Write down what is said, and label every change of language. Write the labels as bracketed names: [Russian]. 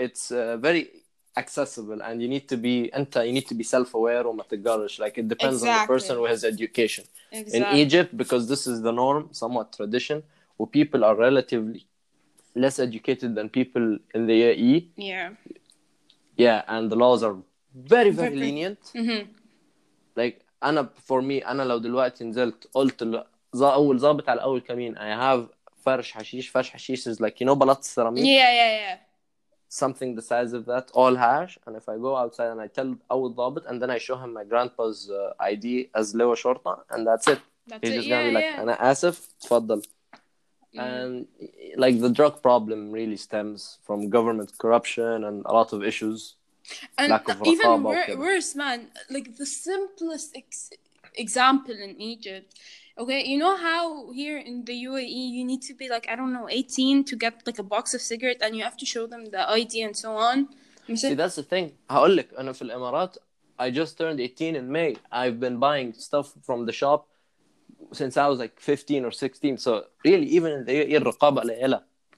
[English] It's very accessible, and you need to be. أنت, you need to be self-aware [Arabic] وما تقارش. [English] Like it depends on the person who has education. Exactly. In Egypt, because this is the norm, somewhat tradition, where people are relatively less educated than people in the UAE. Yeah. Yeah, and the laws are very, very lenient. Mm-hmm. [Arabic] Like, أنا لو دلوقتي نزلت قلت أول ضابط على أول كمين, [English] I have [Arabic] فرش حشيش [English] is like, you know, [Arabic] بلاط السيراميك. [English] Yeah. Something the size of that, all hash. And if I go outside and I tell [Arabic] أول ضابط, [English] and then I show him my grandpa's ID as [Arabic] لواء شرطة, [English] and that's it. He's just gonna be like, [Arabic] أنا آسف, تفضل. [English] And like the drug problem really stems from government corruption and a lot of issues. And lack of even worse, man, like the simplest example in Egypt. Okay, you know how here in the UAE you need to be like, I don't know, 18 to get like a box of cigarette, and you have to show them the ID and so on. See, that's the thing. [Arabic] هقول لك, أنا في الإمارات, [English] I just turned 18 in May. I've been buying stuff from the shop since I was like 15 or 16. So really, even in the UAE, [Arabic] الرقابة قليلة.